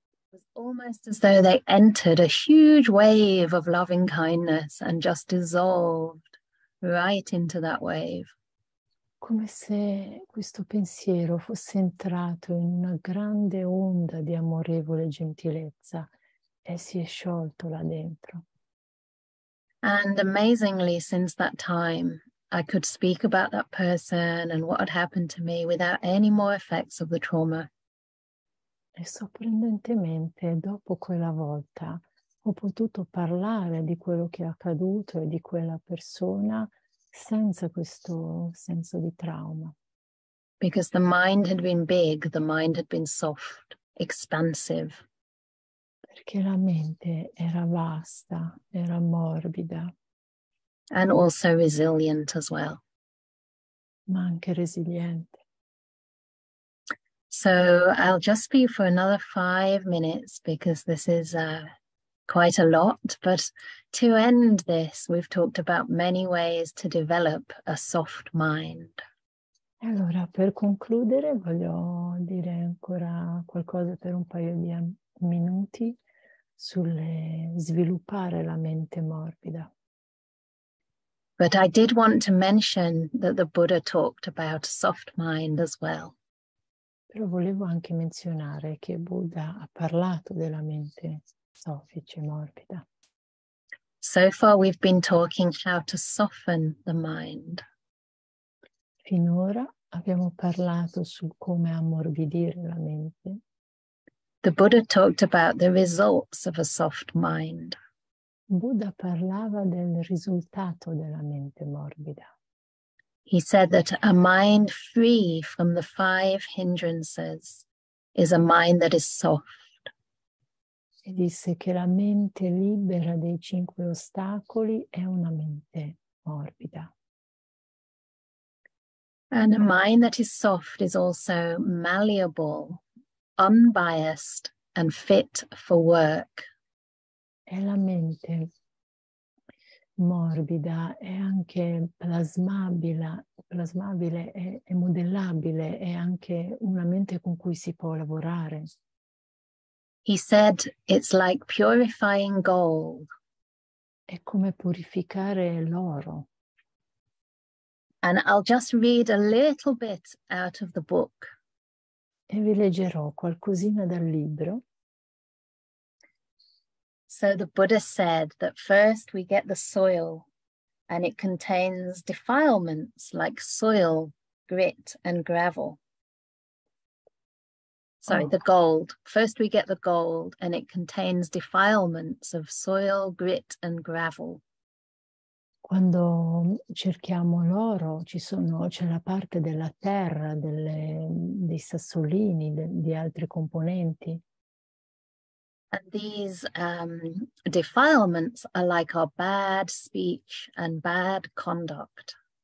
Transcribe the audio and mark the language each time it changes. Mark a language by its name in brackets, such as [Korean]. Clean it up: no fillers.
[English] It was almost as though they entered a huge wave of loving kindness and just dissolved right into that wave. [Italian] Come se questo pensiero fosse entrato in una grande onda di amorevole gentilezza e si è sciolto là dentro. [English] And amazingly, since that time, I could speak about that person and what had happened to me without any more effects of the trauma. [Italian] E sorprendentemente, dopo quella volta, ho potuto parlare di quello che è accaduto e di quella persona senza questo senso di trauma. [English] Because the mind had been big, the mind had been soft, expansive. [Italian] Perché la mente era vasta, era morbida, [English] And also resilient as well. [Italian] ma anche resiliente. [English] So I'll just be for another 5 minutes because this is quite a lot. But to end this, we've talked about many ways to develop a soft mind. [Italian] Allora, per concludere, voglio dire ancora qualcosa per un paio di minuti sulle sviluppare la mente morbida. [English] But I did want to mention that the Buddha talked about soft mind as well. [Italian] Però volevo anche menzionare che Buddha ha parlato della mente soffice, morbida. [English] So far we've been talking how to soften the mind. [Italian] Finora abbiamo parlato su come ammorbidire la mente. [English] The Buddha talked about the results of a soft mind. [Italian] Buddha parlava del risultato della mente morbida. [English] He said that a mind free from the five hindrances is a mind that is soft. [Italian] E disse che la mente libera dei cinque ostacoli è una mente morbida. [English] And a mind that is soft is also malleable, unbiased, and fit for work. [Italian] È la mente morbida, è anche plasmabile, è modellabile, è anche una mente con cui si può lavorare. [English] He said it's like purifying gold. [Italian] È come purificare l'oro. [English] And I'll just read a little bit out of the book. [Italian] E vi leggerò qualcosina dal libro. [English] So the Buddha said that first we get the soil and it contains defilements like soil, grit and gravel. Sorry, the gold. First we get the gold and it contains defilements of soil, grit and gravel. [Italian] Quando cerchiamo l'oro, c'è la parte della terra, dei sassolini, di altri componenti. [English] And these defilements are like our bad speech and bad conduct.